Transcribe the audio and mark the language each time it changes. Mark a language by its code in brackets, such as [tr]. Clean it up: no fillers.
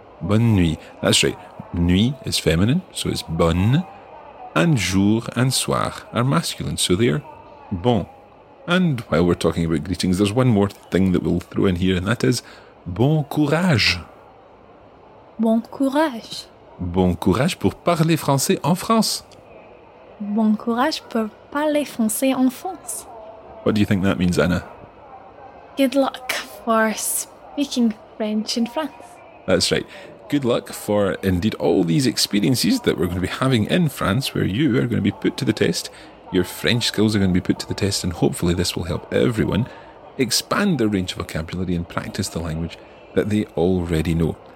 [fr] Bonne nuit. [en] That's right. Nuit is feminine, so it's bonne. And jour and soir are masculine, so they're bon. And while we're talking about greetings, there's one more thing that we'll throw in here, and that is [fr] bon courage. Bon courage. Bon courage pour parler français en France. Bon courage pour parler français en France. [en] What do you think that means, Anna? Good luck for speaking French in France. That's right. Good luck for, indeed, all these experiences that we're going to be having in France, where you are going to be put to the test, your French skills are going to be put to the test, and hopefully this will help everyone expand their range of vocabulary and practice the language that they already know.